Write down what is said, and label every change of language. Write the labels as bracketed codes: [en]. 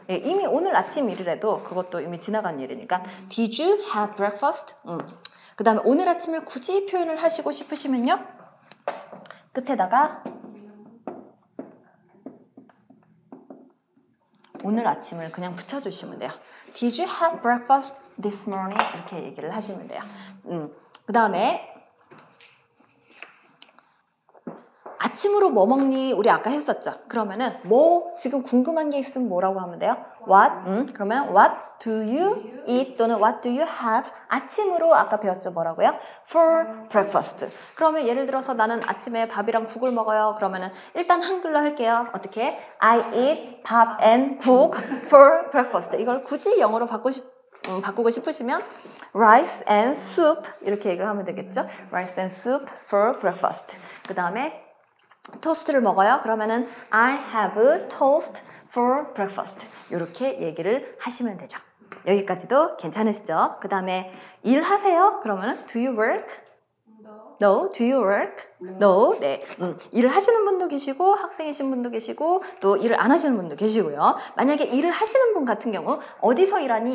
[ko] 예, 이미 오늘 아침 일이라도 그것도 이미 지나간 일이니까 [en] Did you have breakfast? [ko] 그 다음에 오늘 아침을 굳이 표현을 하시고 싶으시면요. 끝에다가 오늘 아침을 그냥 붙여주시면 돼요. [en] Did you have breakfast this morning? [ko] 이렇게 얘기를 하시면 돼요. 그 다음에 아침으로 뭐 먹니? 우리 아까 했었죠. 그러면은 뭐 지금 궁금한 게 있으면 뭐라고 하면 돼요? [en] What? [ko] 그러면 [en] What do you eat? 또는 What do you have? [ko] 아침으로 아까 배웠죠. 뭐라고요? [en] For breakfast. [ko] 그러면 예를 들어서 나는 아침에 밥이랑 국을 먹어요. 그러면은 일단 한글로 할게요. 어떻게? [en] I eat 밥 and 국 for breakfast. [ko] 이걸 굳이 영어로 바꾸고 싶으시면 [en] rice and soup [ko] 이렇게 얘기를 하면 되겠죠. [en] Rice and soup for breakfast. [ko] 그 다음에 토스트를 먹어요. 그러면은 [en] I have a toast for breakfast. [ko] 이렇게 얘기를 하시면 되죠. 여기까지도 괜찮으시죠? 그 다음에 일하세요. 그러면은 [en] Do you work? No. No, do you work? No, no. 네. [ko] 일을 하시는 분도 계시고 학생이신 분도 계시고 또 일을 안 하시는 분도 계시고요. 만약에 일을 하시는 분 같은 경우 어디서 일하니?